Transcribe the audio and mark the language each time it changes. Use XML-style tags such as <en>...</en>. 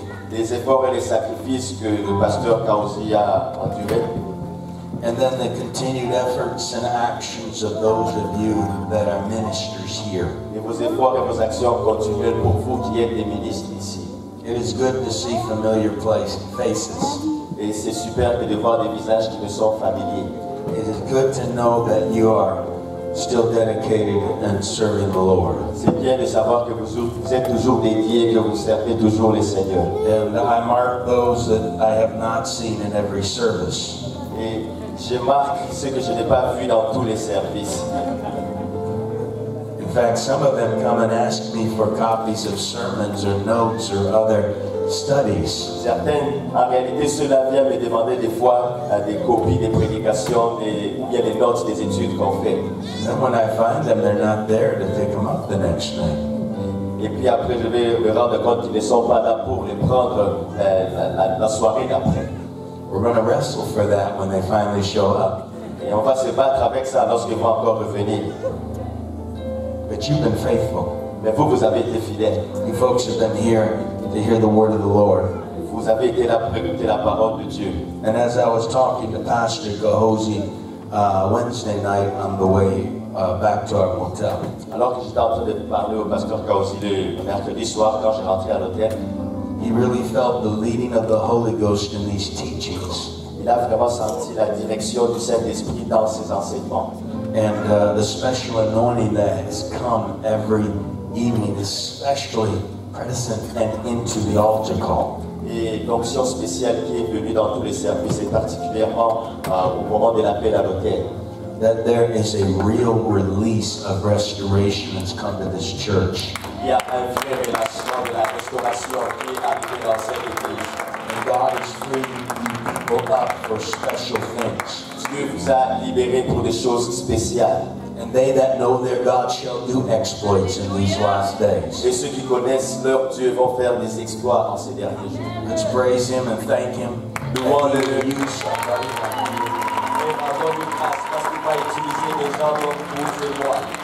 <fr>Les efforts et les sacrifices que le pasteur Kaosi a enduré.</fr> <en>And then the continued efforts and actions of those of you that are ministers here.</en> <fr>Et vos efforts et vos actions continuelles pour vous qui êtes des ministres ici.</fr> <en>It is good to see familiar faces.</en> <fr>Et c'est super de voir des visages qui me sont familiers.</fr> <en>It is good to know that you are still dedicated and serving the Lord.</en> <fr>C'est bien de savoir que vous êtes toujours dédié, que vous servez toujours le Seigneur.</fr> <en>And I mark those that I have not seen in every service.</en> <fr>Et je marque ceux que je n'ai pas vus dans tous les services.</fr> <en>In fact, some of them come and ask me for copies of sermons or notes or other studies.</en> <fr>Certains, en réalité, ceux-là viennent me demander des fois des copies des prédications et bien les notes des études qu'on fait.</fr> <en>And when I find them, they're not there to pick them up the next night.</en> <fr>Et puis après, je vais me rendre compte qu'ils ne sont pas là pour les prendre la soirée d'après.</fr> <en>We're going to wrestle for that when they finally show up.</en> <fr>Et on va se battre avec ça lorsqu'ils vont encore revenir.</fr> <en>But you've been faithful.</en> <fr>Mais vous, vous avez été fidèles.</fr> <en>You folks have been here to hear the word of the Lord.</en> <fr>Vous avez été là pour écouter la parole de Dieu.</fr> <en>And as I was talking to Pastor Gahosi Wednesday night on the way back to our motel.</en> <fr>Alors que j'étais en train de parler au Pasteur Gahosi le mercredi soir quand je rentrais à l'hôtel,</fr> <en>he really felt the leading of the Holy Ghost in these teachings.</en> <fr>Il a vraiment senti la direction du Saint-Esprit dans ses enseignements.</fr> <en>And the special anointing that has come every evening, especially present and into the altar call.</en> <fr>et l'onction spéciale qui est venue dans tous les services, et particulièrement au moment de l'appel à l'autel.</fr> <en>That there is a real release of restoration that's come to this church. And God is freeing people up for special things.</en> <fr>Dieu vous a libéré pour des choses spéciales.</fr> <en>And they that know their God shall do exploits in these last days.</en> <fr>Et ceux qui connaissent leur Dieu vont faire des exploits en ces derniers jours.</fr> <en>Let's praise Him and thank Him.</en> <fr>Nous voulons le louer. Nous rendons grâce parce qu'il va utiliser les gens dont vous et moi.</fr>